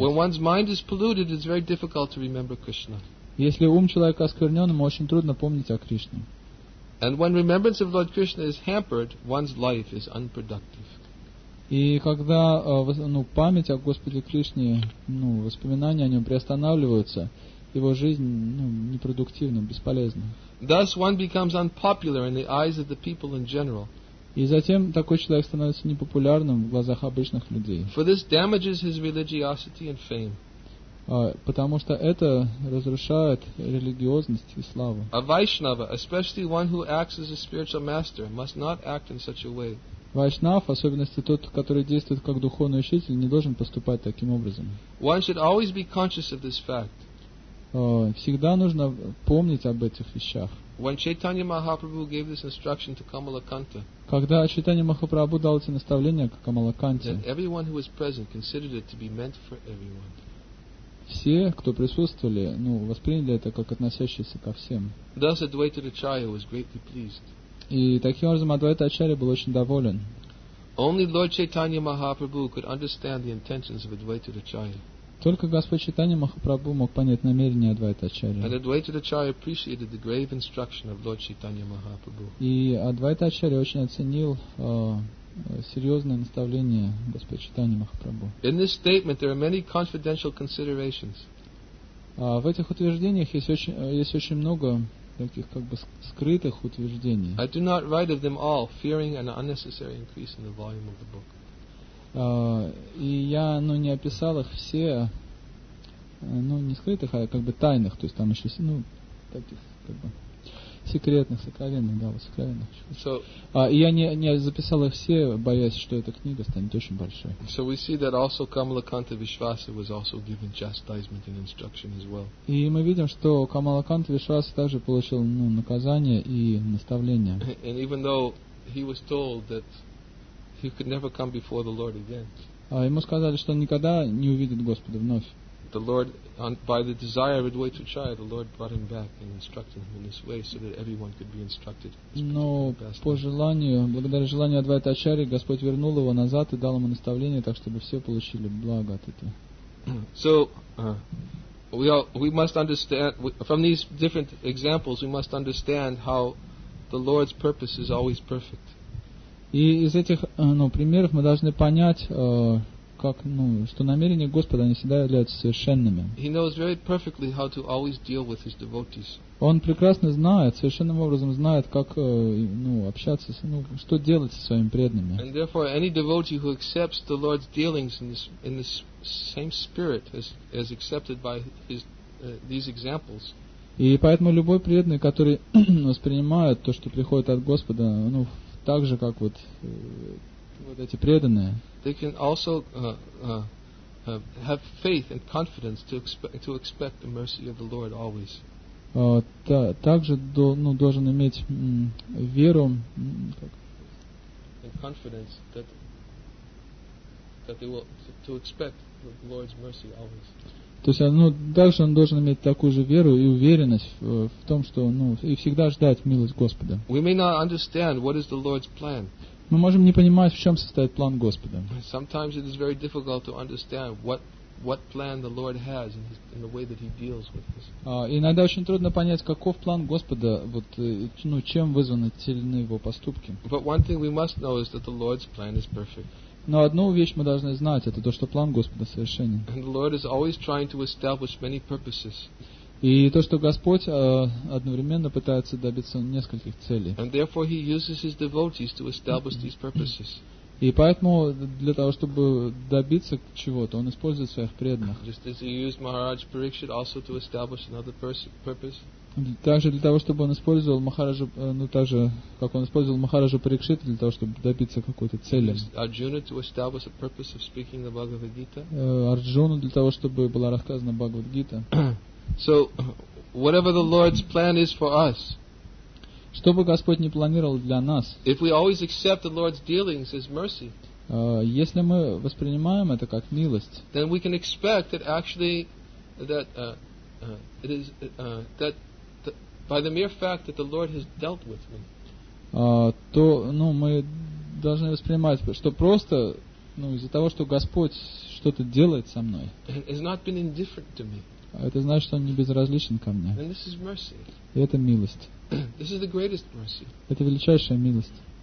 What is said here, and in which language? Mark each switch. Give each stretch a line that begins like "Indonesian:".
English: When one's mind is polluted, it's very difficult to remember Krishna.
Russian: Если ум человека осквернен, ему очень трудно помнить о Кришне.
English: And when remembrance of Lord Krishna is hampered, one's life is unproductive.
Russian: И когда память о Господе Кришне, воспоминания о нем приостанавливаются, его жизнь непродуктивна, бесполезна.
English: Thus one becomes unpopular in the eyes of the people in general.
Russian: И затем такой человек становится непопулярным в глазах обычных людей.
English: For this damages his religiosity and fame.
Russian: Потому что это разрушает религиозность и славу.
English: A Vaishnava, especially one who acts as a spiritual master, must not act in such a way.
Russian: Вайшнав, особенно тот, который действует как духовный учитель, не должен поступать таким образом.
English: One should always be conscious of this fact.
Russian: Всегда нужно помнить об этих вещах.
English: When Chaitanya Mahaprabhu gave this instruction to Kamalakanta,
Russian: когда Чайтанья Махапрабху дал эти наставления к Камалаканте,
English: everyone who was present considered it to be meant for everyone.
Russian: Все, кто присутствовали, восприняли это как относящееся ко всем.
English: Thus Advaita Acharya was greatly pleased.
Russian: И таким образом Адвайта Ачарья был очень доволен.
English: Only Lord Chaitanya Mahaprabhu could understand the intentions of Advaita Acharya.
Russian: Только Господь Чайтанья Махапрабху мог понять намерения Адвайта Ачарьи.
English: And Advaita Acharya appreciated the grave instruction of Lord Chaitanya Mahaprabhu.
Russian: И Адвайта Ачарья очень оценил серьезное наставление Господа Чайтанья Махапрабху.
English: In this statement there are many confidential considerations.
Russian: В этих утверждениях есть очень много таких как бы скрытых утверждений.
English: I do not write of them all, fearing an unnecessary increase in the volume of the book.
Russian: И я, ну, не описал их все, ну, не скрытых, а как бы тайных, то есть там еще, ну, таких, как бы, секретных, сокровенных, да, вот сокровенных.
English: So,
Russian: и я не записал их все, боясь, что эта книга станет очень большой.
English: So we see that also Kamalakanta Vishvasa was also given chastisement and instruction as well.
Russian: И мы видим, что Kamalakanta Vishvasa также получил, ну, наказание и наставление.
English: And even though he was told that he could never come before the Lord again.
Russian: Ему сказали, что он никогда не увидит Господа вновь.
English: The Lord, by the desire of Advaitacharya, the Lord brought him back and instructed him in this way, so that everyone could be instructed.
Russian: Но по желанию, благодаря желанию Адвайтачарьи, Господь вернул его назад и дал ему наставление, так чтобы все получили благо от этого.
English: So we must understand from these different examples, we must understand how the Lord's purpose is always perfect.
Russian: И из этих, ну, примеров мы должны понять, как, ну, что намерения Господа, они всегда являются совершенными.
English: He knows very perfectly how to always deal with his devotees.
Russian: Он прекрасно знает, совершенным образом знает, как, ну, общаться, ну, что делать со своими преданными.
English: And therefore, any devotee who accepts the Lord's dealings in this same spirit as accepted by his these examples.
Russian: И поэтому любой преданный, который воспринимает то, что приходит от Господа, ну, так же, как вот, вот эти преданные.
English: They can also have faith and confidence to expect the mercy of the Lord always.
Russian: Также должен иметь веру.
English: And confidence that they will to expect the Lord's mercy always.
Russian: То есть, ну, также он должен иметь такую же веру и уверенность в том, что, ну, и всегда ждать милость Господа.
English: We may not understand what is the Lord's plan.
Russian: Мы можем не понимать, в чем состоит план Господа.
English: Sometimes it is very difficult to understand what plan the Lord has in the way that he deals with us.
Russian: Иногда очень трудно понять, каков план Господа, вот, ну, чем вызваны те или иные его поступки.
English: But one thing we must know is that the Lord's plan is perfect.
Russian: Но одну вещь мы должны знать, это то, что план Господа совершенен.
English: And the Lord is always trying to establish many purposes.
Russian: И то, что Господь одновременно пытается добиться нескольких целей.
English: And therefore he uses his devotees to establish these purposes.
Russian: И поэтому для того, чтобы добиться чего-то, он использует своих преданных.
English: Just as he used Maharaj Parikshit also to establish another purpose.
Russian: Также для того, чтобы он использовал Махараджу, ну, также, как он использовал Махараджу Парикшита для того, чтобы добиться какой-то цели.
English: Arjuna to establish a purpose of speaking the Bhagavad Gita.
Russian: Арджуну для того, чтобы была рассказана Бхагавад Гита.
English: So, whatever the Lord's plan is for us.
Russian: Что бы Господь ни планировал для нас.
English: If we always accept the Lord's dealings as mercy.
Russian: Если мы воспринимаем это как милость.
English: Then we can expect that actually that by the mere fact that the Lord has dealt with me.
Russian: То, ну, мы должны воспринимать, что просто, ну, из-за того, что Господь что-то делает со мной.
English: Has not been indifferent to me.
Russian: Это значит, что он не безразличен ко мне.
English: And this is mercy.
Russian: И это милость.
English: This is the greatest mercy.
Russian: Это величайшая милость.